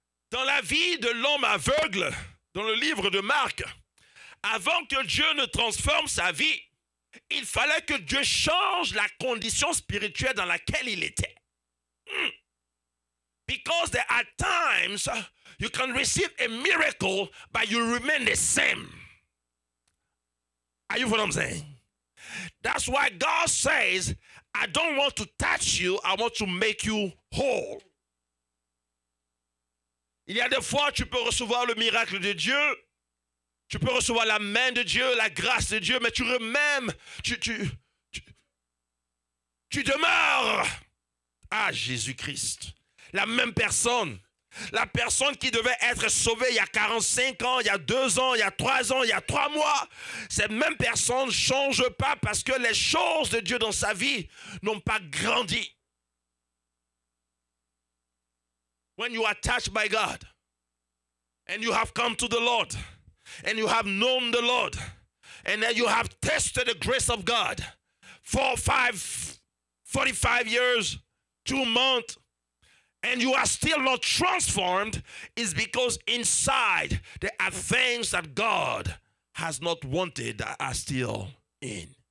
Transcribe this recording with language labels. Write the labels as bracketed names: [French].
[French] Dans la vie de l'homme aveugle, dans le livre de Marc, avant que Dieu ne transforme sa vie, il fallait que Dieu change la condition spirituelle dans laquelle il était. [English] Because there are times you can receive a miracle, but you remain the same. Are you what I'm saying? That's why God says, I don't want to touch you, I want to make you whole. [French] Il y a des fois, tu peux recevoir le miracle de Dieu, tu peux recevoir la main de Dieu, la grâce de Dieu, mais tu remèmes, tu demeures. Ah, Jésus-Christ, la même personne. La personne qui devait être sauvée il y a 45 ans, il y a 2 ans, il y a 3 ans, il y a 3 mois, cette même personne ne change pas parce que les choses de Dieu dans sa vie n'ont pas grandi. [English] When you are touched by God and you have come to the Lord and you have known the Lord and then you have tested the grace of God 45 years, 2 months, and you are still not transformed, is because inside there are things that God has not wanted that are still in.